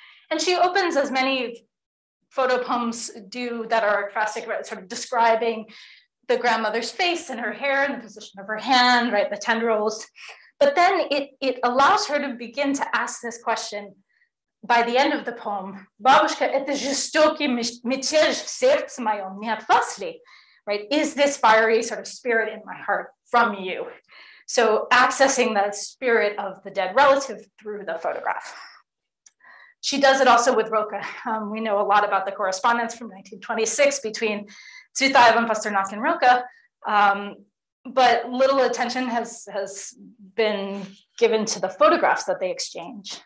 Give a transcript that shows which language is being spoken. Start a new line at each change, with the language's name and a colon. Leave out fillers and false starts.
English: And she opens, as many photo poems do that are ekphrastic, sort of describing the grandmother's face and her hair and the position of her hand, right, the tendrils. But then it allows her to begin to ask this question by the end of the poem.
Russian: Бабушка, это жестокий мятеж в сердце моем, не от вас ли?
English: Right, is this fiery sort of spirit in my heart from you? So accessing the spirit of the dead relative through the photograph. She does it also with Rilke. We know a lot about the correspondence from 1926 between Tsvetaeva and Pasternak and Rilke, but little attention has been given to the photographs that they exchange.